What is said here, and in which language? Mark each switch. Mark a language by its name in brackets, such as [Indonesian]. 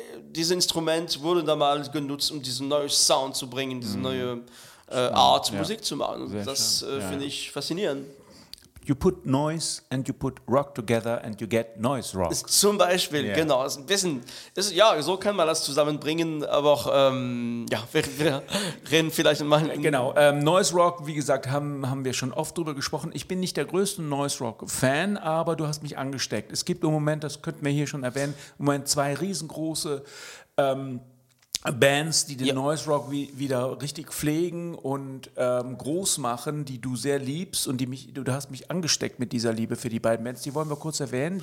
[German] Dieses Instrument wurde damals genutzt, um diesen neuen Sound zu bringen, diese neue Art, Musik zu machen. Sehr das finde ich faszinierend. [English] You put noise and you put rock together and you get noise rock. [German] Zum Beispiel, genau. Ist ein bisschen, so kann man das zusammenbringen, aber auch, wir reden vielleicht mal. Genau, Noise Rock, wie gesagt, haben wir schon oft drüber gesprochen. Ich bin nicht der größte Noise Rock Fan, aber du hast mich angesteckt. Es gibt im Moment, das könnten wir hier schon erwähnen, im Moment zwei riesengroße Bands, die den Noise Rock wieder richtig pflegen und groß machen, die du sehr liebst und du hast mich angesteckt mit dieser Liebe für die beiden Bands. Die wollen wir kurz erwähnen.